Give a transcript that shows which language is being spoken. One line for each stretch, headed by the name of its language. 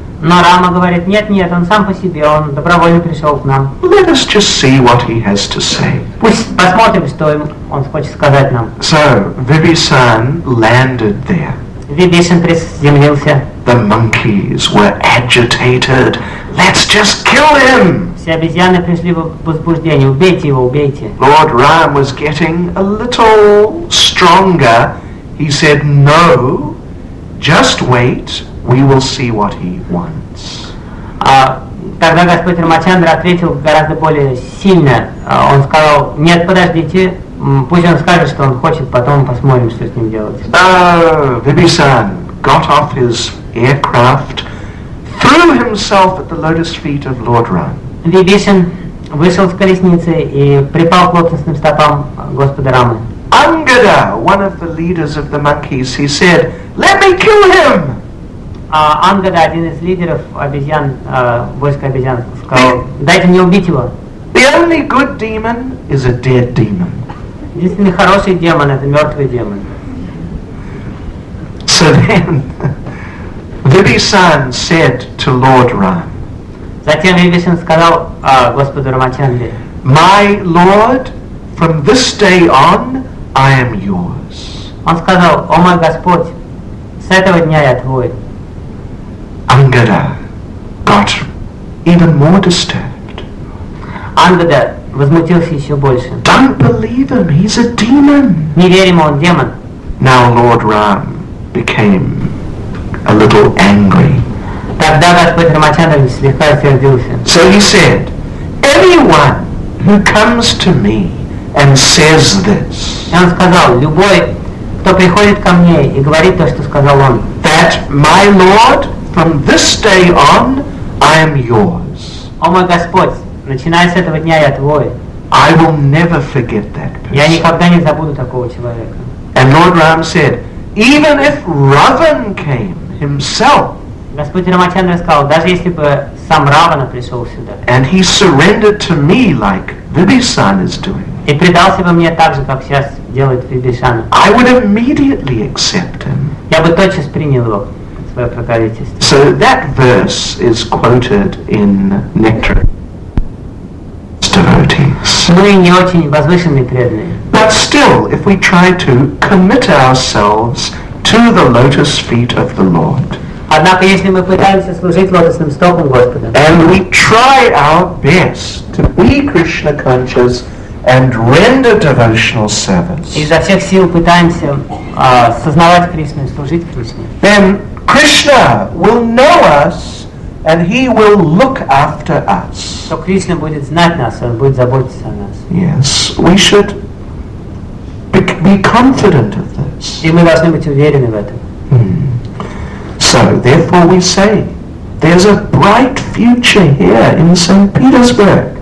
Russian: Но Рама говорит, нет-нет, он сам по себе, он добровольно пришел к нам.
English: Let us just see what he has to say.
Russian: Пусть посмотрим, что он хочет сказать нам.
English: So, Vibhishan landed there.
Russian: Vibhishan приземлился.
English: The monkeys were agitated. Let's just kill him!
Russian: Все обезьяны пришли в возбуждение. Убейте его, убейте.
English: Lord Ram was getting a little stronger. He said, no, just wait. We will see what he wants.
Russian: Тогда Господь Рамачандра ответил гораздо более сильно. Он сказал, нет, подождите, пусть он скажет, что он хочет, потом посмотрим, что с ним делать.
English: Vibhishan got off his aircraft, threw himself at the lotus feet of Lord Ram.
Russian: Vibhishan вышел с колесницы и припал к лотосным стопам Господа Рамы.
English: Angada, one of the leaders of the monkeys, he said, let me kill him!
Russian: Ангада, один из лидеров обезьян, войска обезьян, сказал, дайте мне убить его.
English: The only good demon is a dead demon.
Russian: Единственный хороший демон – это мертвый демон.
English: So then, Vibhishan said to Lord Ram.
Russian: Затем Vibhishan сказал Господу Рамачандре.
English: My Lord, from this day on, I am yours.
Russian: Он сказал, о мой Господь, с этого дня я твой.
English: Angada got even more disturbed.
Russian: Angada возмутился еще больше.
English: Don't believe him, he's a demon.
Russian: Не верим, он демон.
English: Now Lord Ram became a little angry.
Russian: Тогда Господь Рамачандра слегка сердился.
English: So he said, anyone who comes to me and says this.
Russian: И он сказал, любой, кто приходит ко мне и говорит то, что сказал он.
English: That my Lord, from this day on, I am yours.
Russian: О мой Господь, начиная с этого дня я твой.
English: I will never forget that person.
Russian: Я никогда не забуду такого человека.
English: And Lord Ram said, even if Ravan came himself.
Russian: Господь Рамачандра сказал, даже если бы сам Равана пришел сюда.
English: And he surrendered to me like Vibhishan is doing.
Russian: И предался бы мне так же, как сейчас делает Vibhishan.
English: I would immediately accept him.
Russian: Я бы тотчас принял его.
English: So that verse is quoted in Nectar devotees.
Russian: Мы не очень возвышенные преданные.
English: But still, if we try to commit ourselves to the lotus feet of the Lord,
Russian: однако если мы пытаемся служить лотосным стопам Господа,
English: and we try our best to be Krishna conscious and render devotional service,
Russian: изо всех сил пытаемся сознавать Кришну, служить Кришне,
English: then Krishna will know us and he will look after us.
Russian: То Кришна будет знать нас, он будет заботиться о нас.
English: Yes, we should be confident of this.
Russian: И мы должны быть уверены в этом.
English: So, therefore we say, there's a bright future here in St. Petersburg.